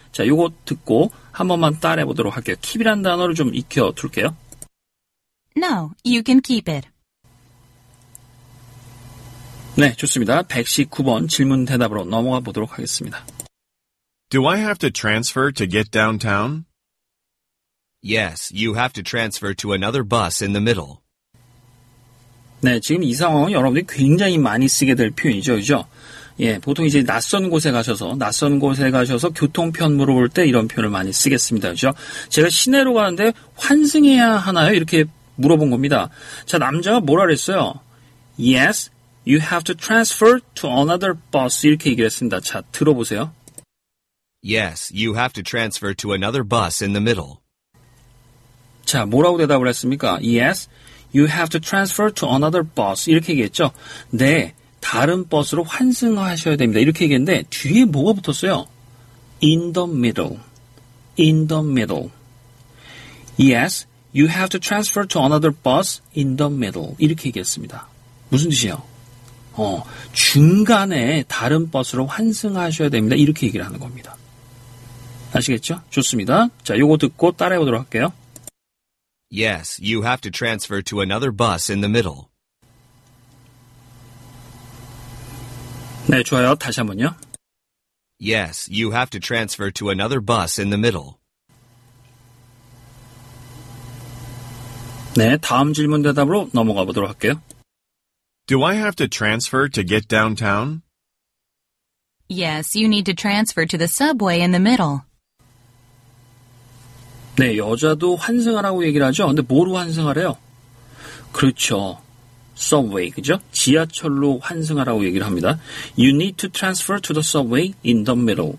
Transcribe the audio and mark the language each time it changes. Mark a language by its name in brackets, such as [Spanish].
[Korean] 자, 요거 듣고 한 번만 따라해 보도록 할게요. keep이라는 단어를 좀 익혀 둘게요. [English] No, you can keep it. [Korean] 네, 좋습니다. 119번 질문 대답으로 넘어가 보도록 하겠습니다. [English] Do I have to transfer to get downtown? Yes, you have to transfer to another bus in the middle. [Korean] 네, 지금 이 상황은 여러분들이 굉장히 많이 쓰게 될 표현이죠, 그죠? 예, 보통 이제 낯선 곳에 가셔서 교통편 물어볼 때 이런 표현을 많이 쓰겠습니다, 그죠? 제가 시내로 가는데 환승해야 하나요? 이렇게 물어본 겁니다. 자, 남자가 뭐라 그랬어요? [English] Yes, You have to transfer to another bus. [Korean] 이렇게 얘기를 했습니다. 자, 들어보세요. [English] Yes, you have to transfer to another bus in the middle. [Korean] 자, 뭐라고 대답을 했습니까? [English] Yes, You have to transfer to another bus. [Korean] 이렇게 얘기했죠. 네, 다른 버스로 환승하셔야 됩니다. 이렇게 얘기했는데 뒤에 뭐가 붙었어요? [English] In the middle. In the middle. Yes, you have to transfer to another bus in the middle. [Korean] 이렇게 얘기했습니다. 무슨 뜻이에요? 중간에 다른 버스로 환승하셔야 됩니다. 이렇게 얘기를 하는 겁니다. 아시겠죠? 좋습니다. 자, 요거 듣고 따라해 보도록 할게요. [English] Yes, you have to transfer to another bus in the middle. [Korean] 네, 좋아요. 다시 한 번요. [English] Yes, you have to transfer to another bus in the middle. [Korean] 네, 다음 질문 대답으로 넘어가 보도록 할게요. [English] Do I have to transfer to get downtown? Yes, you need to transfer to the subway in the middle. [Korean] 네, 여자도 환승하라고 얘기를 하죠. 근데 뭐로 환승하래요? 그렇죠. Subway, 그죠? 지하철로 환승하라고 얘기를 합니다. [English] You need to transfer to the subway in the middle.